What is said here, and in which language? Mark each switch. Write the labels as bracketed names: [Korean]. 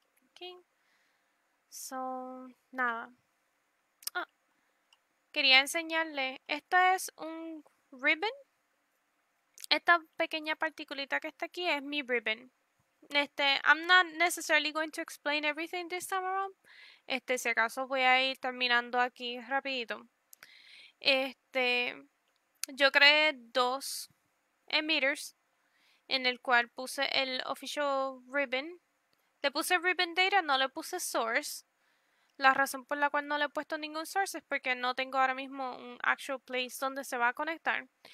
[Spanish] Aquí. So, nada. Quería enseñarle. Esto es un ribbon. Esta pequeña particulita que está aquí es mi ribbon. [English] I'm not necessarily going to explain everything this time around. [Spanish] Si acaso voy a ir terminando aquí rapidito. Yo creé dos emitters en el cual puse el official ribbon. Le puse ribbon data, no le puse source. La razón por la cual no le he puesto ningún source es porque no tengo ahora mismo un [English] actual place [Spanish] donde se va a conectar.